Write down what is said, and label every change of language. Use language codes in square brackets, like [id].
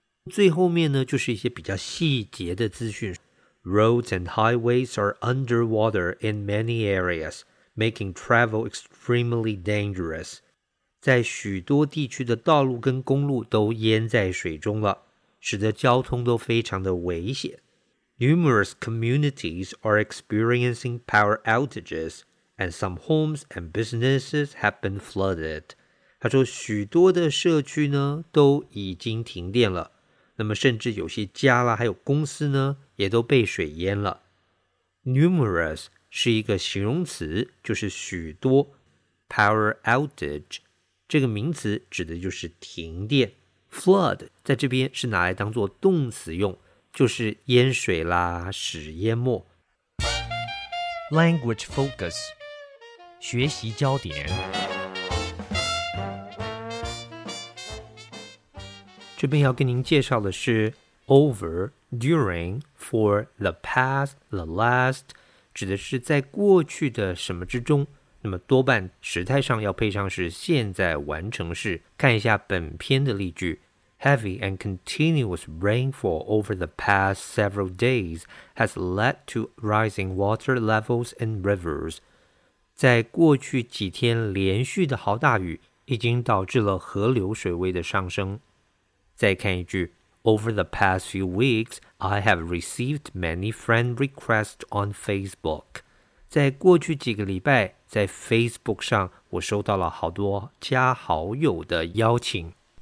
[zh] 最后面呢，就是一些比较细节的资讯。 [en] roads and highways are underwater in many areas, making travel extremely dangerous. [zh] 在许多地区的道路跟公路都淹在水中了，使得交通都非常的危险。 [en] Numerous communities are experiencing power outages, and some homes and businesses have been flooded. [zh] 他说许多的社区呢都已经停电了，那么甚至有些家啦还有公司呢也都被水淹了。 Numerous 是一个形容词，就是许多。 Power outage 这个名词指的就是停电。 Flood 在这边是拿来当做动词用，就是淹水啦，使淹没。 [en] Language focus， [zh] 学习焦点。这边要跟您介绍的是 [en] over, during, for, the past, the last， [zh] 指的是在过去的什么之中。那么多半时态上要配上是现在完成式。看一下本篇的例句。 [en] Heavy and continuous rainfall over the past several days has led to rising water levels in rivers. [zh] 在过去几天连续的好大雨已经导致了河流水位的上升。再看一句， [en] Over the past few weeks, I have received many friend requests on Facebook. [zh] 在过去几个礼拜，在 Facebook 上我收到了好多加好友的邀请。